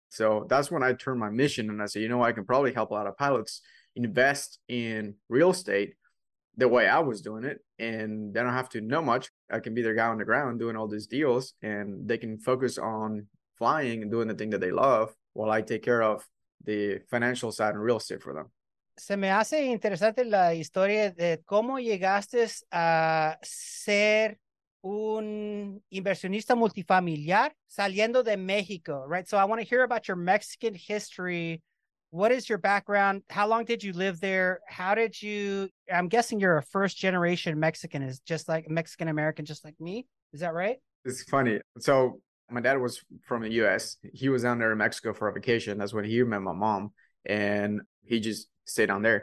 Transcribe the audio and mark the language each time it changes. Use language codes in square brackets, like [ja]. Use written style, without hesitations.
[en] So that's when I turned my mission and I said, you know, I can probably help a lot of pilots invest in real estate the way I was doing it. And they don't have to know much. I can be their guy on the ground doing all these deals and they can focus on flying and doing the thing that they love while I take care of the financial side and real estate for them. [es] Se me hace interesante la historia de cómo llegaste a ser un inversionista multifamiliar saliendo de México, [en] right? So I want to hear about your Mexican history. What is your background? How long did you live there? How did you, I'm guessing you're a first generation Mexican, is just like Mexican American, just like me. Is that right? It's funny. So my dad was from the US. He was down there in Mexico for a vacation. That's when he met my mom and he just stayed down there.